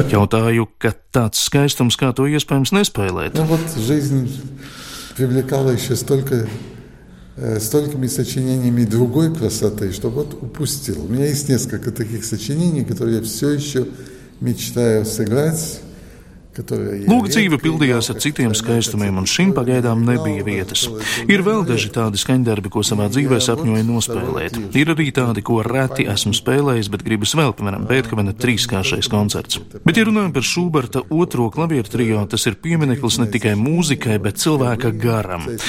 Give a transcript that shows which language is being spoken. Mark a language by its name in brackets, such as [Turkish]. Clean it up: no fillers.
[Latvian] Jautāju, ka tāds skaistums, kā to iespējams nespēlēt. [Russian] Ну вот жизнь привлекала еще столько... столькими сочинениями другой красоты, что вот упустил. У меня есть несколько таких сочинений, которые я все еще мечтаю сыграть. [Latvian] Lūk, dzīve pildījās ar citiem skaistumiem, un šim pagaidām nebija vietas. Ir vēl daži tādi skaņdarbi, ko savā dzīvē sapņoju nospēlēt. Ir arī tādi, ko reti esmu spēlējis, bet gribas vēl, piemēram, Bēthovena trīskāršais koncerts. Bet ja runājam par Šuberta otro klavieru trio, tas ir piemineklis ne tikai mūzikai, bet cilvēka garam.